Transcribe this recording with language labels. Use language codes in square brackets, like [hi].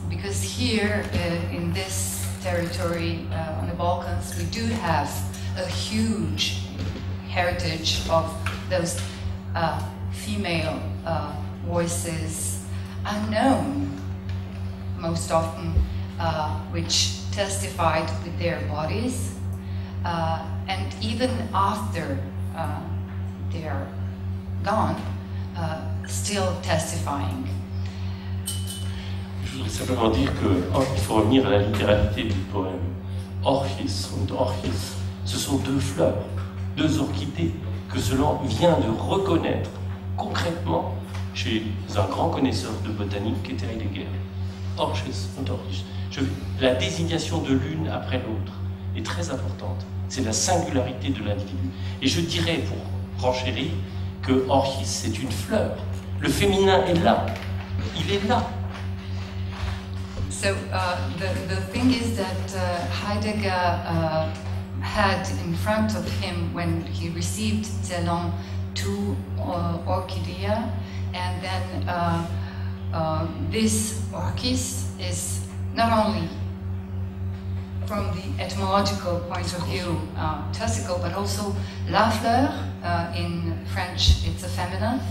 [en] Because here in this territory, on the Balkans, we do have a huge heritage of those female voices, unknown most often, which testified with their bodies, and even after they're gone, still testifying. [fr] Je voudrais simplement dire que il faut revenir à la littéralité du poème. Orchis und Orchis, ce sont deux fleurs. Deux orchidées que Celan vient de reconnaître concrètement chez un grand connaisseur de botanique qui était Heidegger. Orchis und Orchis. La désignation de l'une après l'autre est très importante. C'est la singularité de l'individu. Et je dirais pour renchérir que Orchis, c'est une fleur. Le féminin est là. Il est là. [en] So, the thing is that Heidegger had in front of him when he received Celan two orchidea, and then this orchis is not only from the etymological point of view testicle, but also [fr] la fleur [en] in French it's a feminine,